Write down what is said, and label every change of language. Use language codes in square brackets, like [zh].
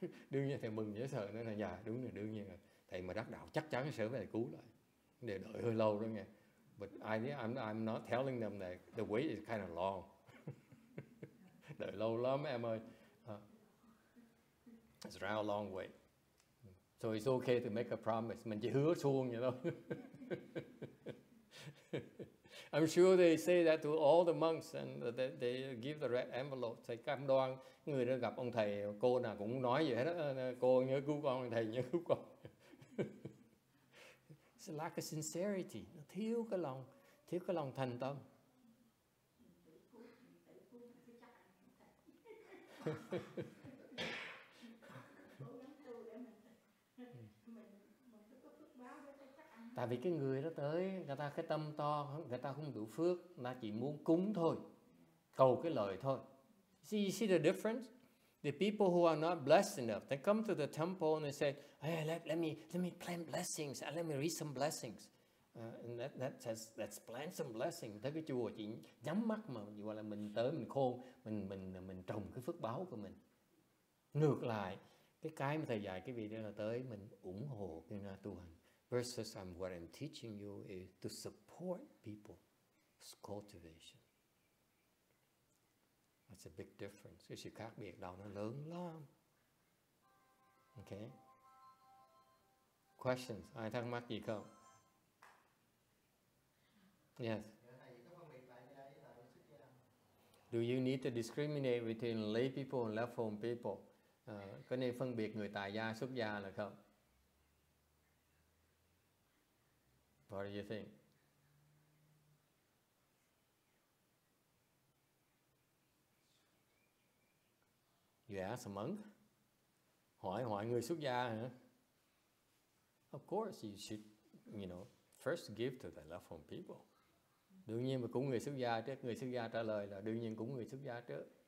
[vi] Đương nhiên thầy mừng dễ sợ nữa là dạ, đúng rồi, đương nhiên là thầy mà đắc đạo chắc chắn sẽ về cứu lại. Để đợi hơi lâu đó nghe. [en] But I'm not telling them that the wait is kind of long. [vi] Đợi lâu lắm em ơi. [en] It's around a long way. So it's okay to make a promise. [vi] Mình chỉ hứa suông vậy thôi. [en] I'm sure they say that to all the monks and that they give the red envelope. [vi] Thầy cam đoan người đã gặp ông thầy cô nào cũng nói vậy hết đó. Cô nhớ cứu con, thầy nhớ cứu con. [en] It's a lack of sincerity. [vi] Thiếu cái lòng thành tâm. Tại vì cái người đó tới, người ta cái tâm to, người ta không đủ phước, người ta chỉ muốn cúng thôi, cầu cái lời thôi. [en] See, you see the difference? The people who are not blessed enough, they come to the temple and they say, hey, let me plant blessings, let me read some blessings. And that's plant some blessings. [vi] Thế cái chùa chỉ nhắm mắt mà, gọi là mình tới, mình khôn, mình trồng cái phước báo của mình. Ngược lại, cái mà thầy dạy cái vị đó là tới, mình ủng hộ cái người tu hành. [en] Versus what I'm teaching you is to support people's cultivation. That's a big difference. [vi] Cái sự khác biệt đó nó lớn lắm. [en] Okay. Questions? [vi] Ai thắc mắc gì không? [en] Yes. Do you need to discriminate between lay people and left home people? [vi] Có nên phân biệt người tại gia xuất gia là không? [en] What do you think? You ask a monk? [vi] Hỏi người xuất gia hả? [en] Of course you should, you know, first give to the left home people. [vi] Đương nhiên mà cũng người xuất gia trước. Người xuất gia trả lời là đương nhiên cũng người xuất gia trước.